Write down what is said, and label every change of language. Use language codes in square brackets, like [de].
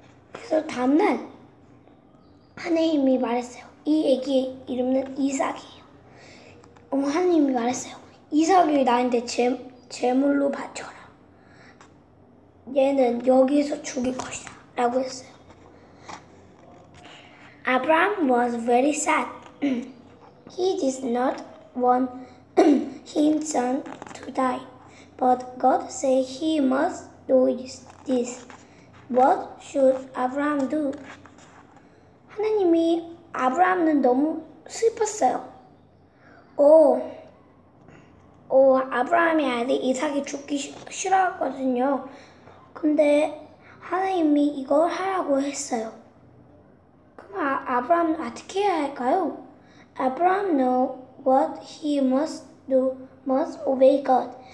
[ko] 그래서 다음날 하나님이 말했어요. 이 애기의 이름은 이삭이에요. 하나님이 말했어요. 이삭을 나한테 제물로 바쳐라. 얘는 여기서 죽일 것이다. 라고 했어요. [en] Abraham was very sad. He did not want his son to die. But God said he must do this. What should Abraham do? [ko] 하나님이 아브라함은 너무 슬펐어요. 아브라함의 아들 이삭이 죽기 싫어하거든요. 근데 하나님이 이걸 하라고 했어요. 그럼 아브라함은 어떻게 해야 할까요? [en] Abraham know what he must do, must obey God.